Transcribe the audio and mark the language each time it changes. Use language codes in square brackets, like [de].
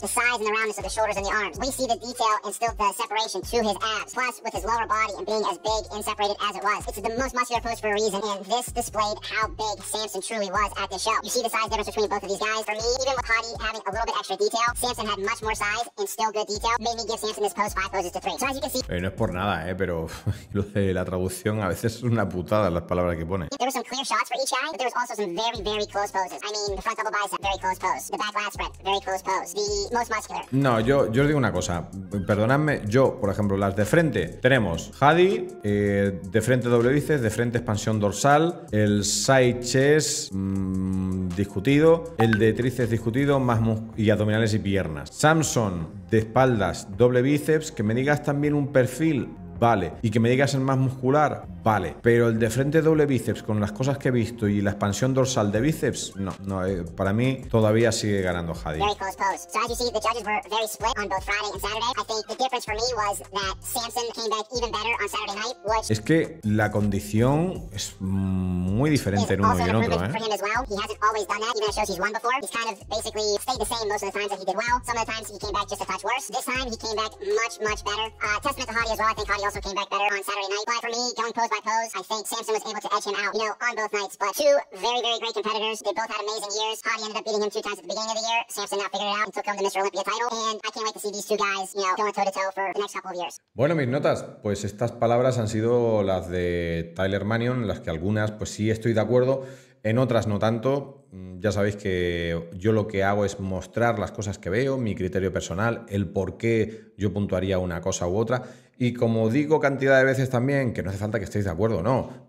[en] The size and the roundness of the shoulders and the arms. We see the detail and still the separation to his abs. Plus, with his lower body and being as big and separated as it was, it's the most muscular pose for a reason. And this displayed how big Samson truly was at the show. You see the size difference between both of these guys. For me, even with Hadi having a little bit extra detail, Samson had much more size and still good detail. Made me give Samson this post 5 poses to 3. So as you can see, [es] no es por nada, pero lo de la traducción a veces es una putada las palabras que pone. [en] There were some clear shots for each eye, but there was also some very, very close poses. I mean, the front double bicep, very close pose. The back lat spread, very close pose. The most muscular. [es] No, yo os digo una cosa. Perdonadme, yo, por ejemplo, las de frente. Tenemos Hadi, de frente doble bíceps, de frente expansión dorsal, el side chest discutido, el de tríceps discutido, más y abdominales y piernas. Samson, de espaldas, doble bíceps, que me digas también un perfil, vale. Y que me digas el más muscular, vale. Pero el de frente doble bíceps, con las cosas que he visto y la expansión dorsal de bíceps, no, no, para mí todavía sigue ganando Hadi. [en] Very close pose. So as you see, the judges were very split on both Friday and Saturday. I think the difference for me was that Samson came back even better on Saturday night, which [es] es que la condición es muy diferente en uno y en otro, [en] For him as well. He hasn't always done that, even at shows he's won before. He's kind of basically stayed the same most of the times that he did well. Some of the times he came back just a touch worse. This time he came back much, much better. Testament to Hadi as well. I think Hadi also came back better on Saturday night. But for me, going pose by pose, I think Samson was able to edge him out, you know, on both nights. But two very, very great competitors. They both had amazing years. Hadi ended up beating him 2 times at the beginning of the year. Samson now figured it out and took home the Mr. Olympia title. And I can't wait to see these two guys, you know, going toe-to-toe for the next couple of years. [es] Bueno, mis notas. Pues estas palabras han sido las de Tyler Mannion, las que algunas, pues sí estoy de acuerdo. En otras no tanto. Ya sabéis que yo lo que hago es mostrar las cosas que veo, mi criterio personal, el por qué yo puntuaría una cosa u otra. Y como digo cantidad de veces también, que no hace falta que estéis de acuerdo, no.